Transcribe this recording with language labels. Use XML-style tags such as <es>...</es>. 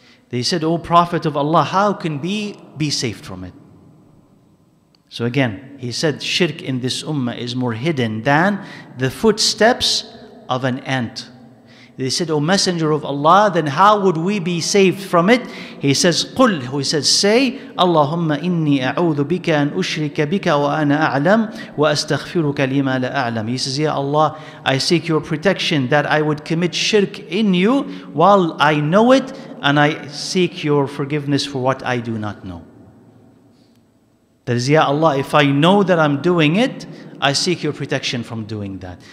<en>They said, "O Prophet of Allah, how can we be saved from it?" So again, he said, shirk in this ummah is more hidden than the footsteps of an ant. They said, O Messenger of Allah, then how would we be saved from it? He says,</en> <ar>قُلْ,</ar> <en>he says, say,</en> <ar>اللَّهُمَّ إِنِّي أَعُوذُ بِكَ أَنْ أُشْرِكَ بِكَ وَأَنَا أَعْلَمْ وَأَسْتَغْفِرُكَ لِمَا لَا أَعْلَمْ.</ar> <en>He says, Ya Allah, I seek your protection that I would commit shirk in you while I know it, and I seek your forgiveness for what I do not know. That is, Ya Allah, if I know that I'm doing it, I seek your protection from doing that.</en>